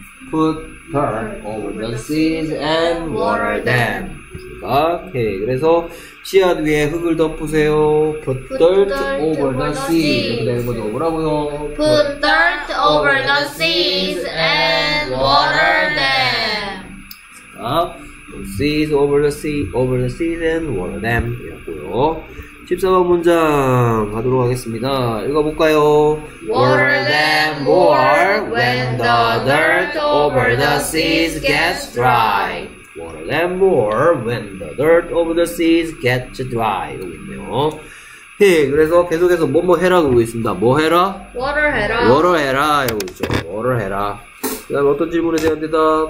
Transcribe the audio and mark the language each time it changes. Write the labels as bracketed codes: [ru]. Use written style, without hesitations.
[en] put dirt over the seas and water them. [ko] 오케이, 그래서 씨앗 위에 흙을 덮으세요. [en] Put dirt over the seas. [ko] 이렇게 되는 거죠. 뭐라고요? [en] Put dirt over the seas and water them. 자, put seas over the sea, over the seas and water them. [ko] 이랬고요. 14번 문장 가도록 하겠습니다. 읽어볼까요? [en] Water them more when the dirt over the seas gets dry. Water them more when the dirt over the seas gets dry. [ko] 이러고 있네요. 예, 그래서 계속해서 뭐뭐 해라 그러고 있습니다. 뭐 해라? Water 해라. Water 해라. 이러고 있죠. Water 해라. 그 다음에 어떤 질문에 대한 대답?